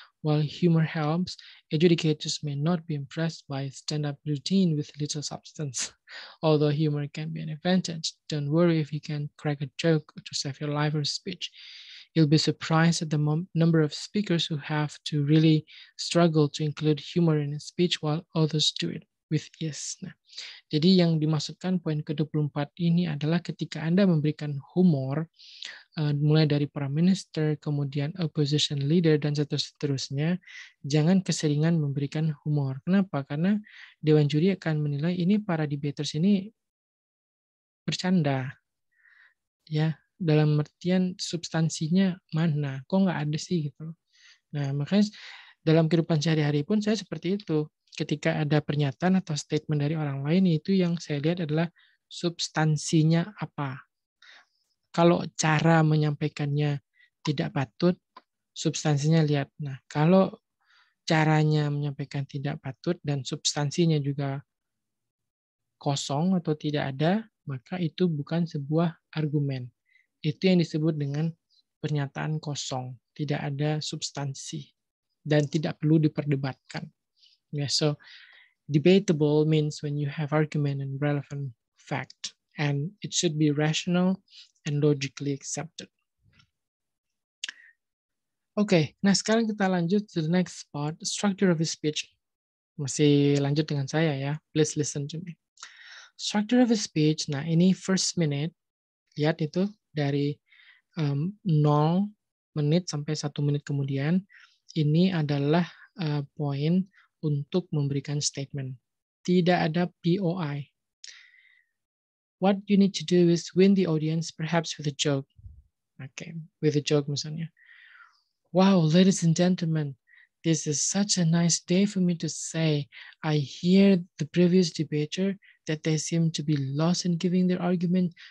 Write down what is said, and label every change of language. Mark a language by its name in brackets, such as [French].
[English] While humor helps, adjudicators may not be impressed by stand-up routine with little substance. Although humor can be an advantage, don't worry if you can crack a joke to save your life or speech. You'll be surprised at the number of speakers who have to really struggle to include humor in a speech while others do it with ease. [Indonesian] Nah, jadi yang dimaksudkan poin ke-24 ini adalah ketika Anda memberikan humor, mulai dari para minister, kemudian opposition leader, dan seterusnya, jangan keseringan memberikan humor. Kenapa? Karena dewan juri akan menilai ini para debaters ini bercanda. Ya, dalam artian substansinya mana? Kok nggak ada sih? Gitu. Nah, makanya dalam kehidupan sehari-hari pun saya seperti itu. Ketika ada pernyataan atau statement dari orang lain, itu yang saya lihat adalah substansinya apa. Kalau cara menyampaikannya tidak patut, substansinya lihat. Nah, kalau caranya menyampaikan tidak patut dan substansinya juga kosong atau tidak ada, maka itu bukan sebuah argumen. Itu yang disebut dengan pernyataan kosong, tidak ada substansi dan tidak perlu diperdebatkan. [English] Yeah, so debatable means when you have argument and relevant fact, and it should be rational and logically accepted. Okay, [Indonesian] nah sekarang kita lanjut [English] to the next part, the structure of a speech. [Indonesian] Masih lanjut dengan saya ya, [English] please listen to me. Structure of a speech, [Indonesian] nah ini [English] first minute, [Indonesian] lihat itu dari 0 menit sampai 1 menit kemudian, ini adalah poin untuk memberikan statement. Tidak ada POI. [English] What you need to do is win the audience, perhaps with a joke. Okay, with a joke misalnya. Wow, ladies and gentlemen, this is such a nice day for me to say. I hear the previous debater that they seem to be lost in giving their argument.